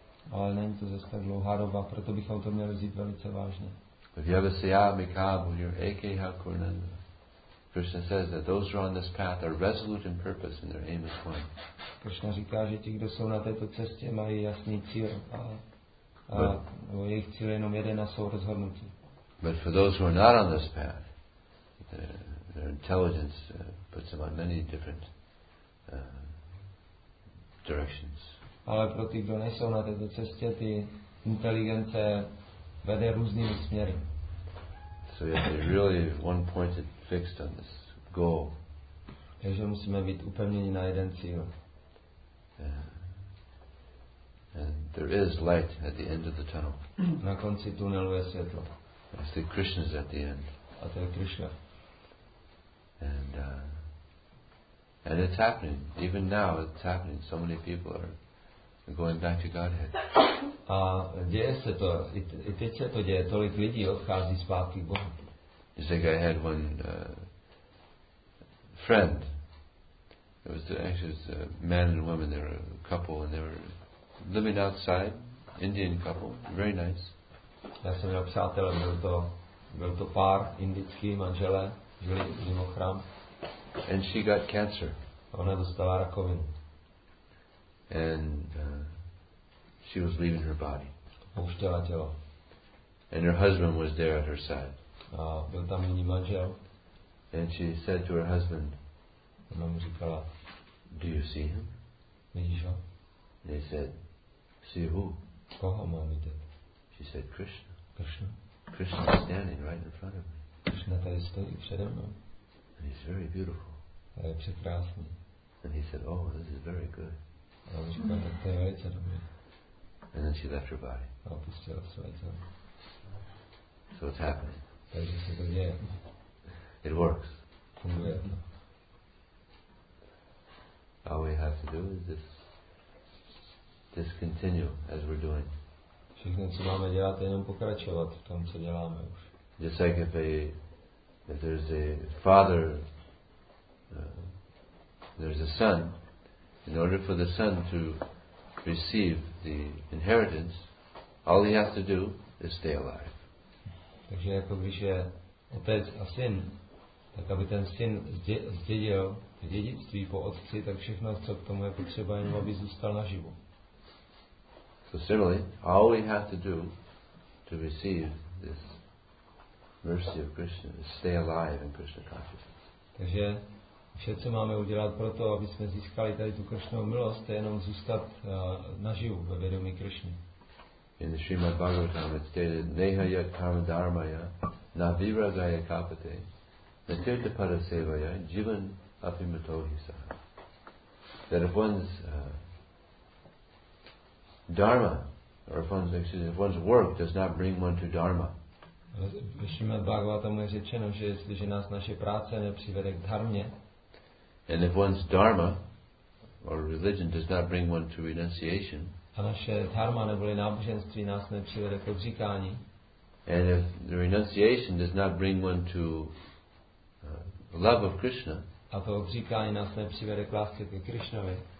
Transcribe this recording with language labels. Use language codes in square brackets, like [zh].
[cs] Ale není to zase tak dlouhá doba, proto bychom to měli vzít velice vážně. [sa] If you have a siya, mikabu, your ake, hakurnanda, [en] Krishna says that those who are on this path are resolute in purpose and their aim is one. [cs] Krishna říká, že ti, kdo jsou na této cestě, mají jasný cíl a jejich cíl je jenom jeden a jsou rozhodnutí. [en] But for those who are not on this path, their intelligence puts them on many different directions. [cs] Ale pro ty, kdo nejsou na této cestě, ty inteligence vede různými směry. [en] So you have to be really one-pointed, fixed on this goal. [cs] Takže musíme být upevněni na jeden cíl. [en] And there is light at the end of the tunnel. [cs] Na konci tunelu je světlo. [en] I see Krishna's at the end. [cs] A to je Krishna. [en] And it's happening. Even now it's happening. So many people are going back to Godhead. [cs] A děje se to. I teď se to děje. Tolik lidí odchází zpátky k Bohu. [en] It's like I had one friend. It was actually a man and a woman. They were a couple and they were living outside. Indian couple. Very nice. [cs] Já jsem měl přátelé, byl to pár indický manželé, žili mimo chrám. [en] And she got cancer. [cs] Ona dostala rakovinu. [en] And she was leaving her body. [cs] Opustila tělo. [en] And her husband was there at her side. [cs] A byl tam jiný manžel. [en] And she said to her husband, [cs] ona mu říkala, [en] do you see him? [cs] Vidíš ho? [en] And he said, see who? [cs] Koho mám vidět? [en] She said, Krishna. [cs] Krishna. [en] Krishna is standing right in front of me. [cs] Krishna tady stojí přede mnou. [en] And he's very beautiful. [cs] A je překrásný. [en] And he said, oh, this is very good. [cs] A on říkal, tak to je velice dobré. [en] And then she left her body. [cs] A opustila své tělo. [en] So it's happening. [cs] Takže se to děje. [en] It works. [cs] Funguje to. [en] All we have to do is just continue as we're doing. [cs] Všechno, co máme dělat, je jenom pokračovat v tom, co děláme už. [en] Just like if there's a father, there's a son, in order for the son to receive the inheritance, all he has to do is stay alive. [cs] Takže jako když je otec a syn, tak aby ten syn zdědil dědictví po otci, tak všechno, co k tomu je potřeba, jenom aby zůstal naživu. [en] So similarly, all we have to do to receive this mercy of Krishna is stay alive in Krishna consciousness. [cs] Takže vše, co máme udělat pro to, aby jsme získali tady tu Krishnovu milost, je jenom zůstat naživu ve vědomí Krishny. [en] In the Srimad Bhagavatam it's stated, [sa] neha yat karma dharmaya na viragaya kapate na tirta parasevaya jivan apimato hisa. [en] That if one's dharma, or if one's work does not bring one to dharma. [cs] V Srimad Bhagavatam je řečeno, že jestliže nás naše práce nepřivede k dharmě. [en] And if one's dharma or religion does not bring one to renunciation, [cs] a naše dharma neboli náboženství nás nepřivede k obříkání. [en] And if the renunciation does not bring one to love of Krishna, [cs] a to obříkání nás nepřivede k lásce ke Krishnovi,